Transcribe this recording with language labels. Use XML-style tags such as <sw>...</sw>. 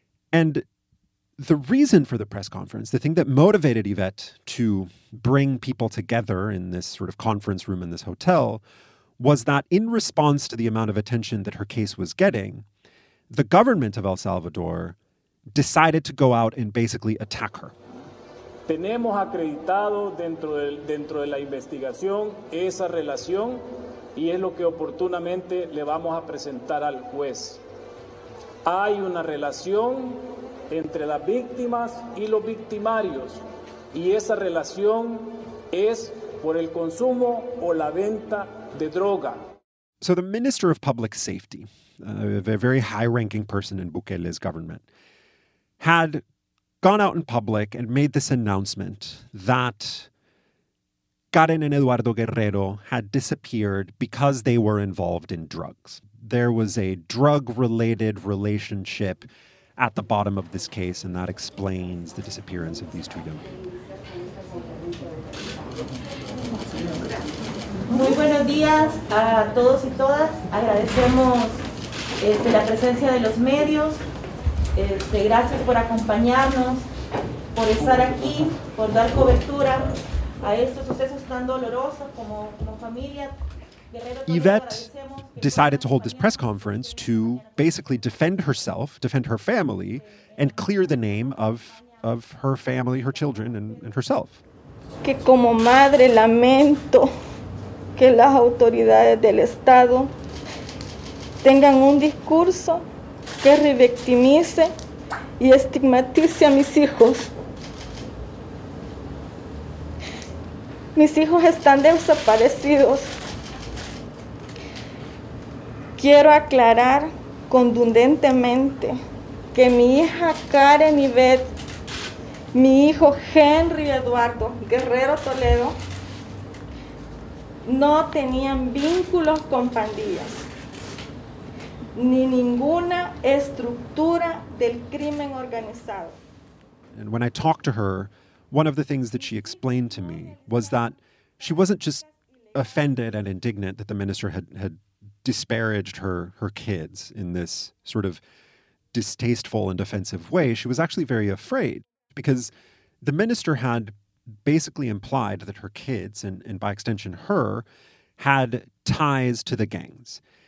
<en>And the reason for the press conference, the thing that motivated Yvette to bring people together in this sort of conference room in this hotel, was that in response to the amount of attention that her case was getting, the government of El Salvador decided to go out and basically attack her.</en> <es>Tenemos acreditado dentro de la investigación esa relación y es lo que oportunamente le vamos a presentar al juez. Hay una relación entre las víctimas y los victimarios, y esa relación es por el consumo o la venta de droga.</es> <en>So the Minister of Public Safety, a very high-ranking person in Bukele's government, had gone out in public and made this announcement that Karen and Eduardo Guerrero had disappeared because they were involved in drugs. There was a drug-related relationship at the bottom of this case, and that explains the disappearance of these two young people.</en> <es>Muy buenos días a todos y todas. Agradecemos la presencia de los medios. Gracias por acompañarnos, por estar aquí, por dar cobertura a estos sucesos tan dolorosos como familia.</es> <en>Yvette decided to hold this press conference to basically defend herself, defend her family, and clear the name of her family, her children, and herself.</en> <es>Que como madre lamento que las autoridades del Estado tengan un discurso que revictimice y estigmatice a mis hijos. Mis hijos están desaparecidos. Quiero aclarar contundentemente que mi hija Karen Yvette, mi hijo Henry Eduardo Guerrero Toledo, no tenían vínculos con pandillas, ni ninguna estructura del crimen organizado.</es> <en>And when I talked to her, one of the things that she explained to me was that she wasn't just offended and indignant that the minister had disparaged her kids in this sort of distasteful and offensive way. She was actually very afraid because the minister had basically implied that her kids, and by extension her, had ties to the gangs.</en>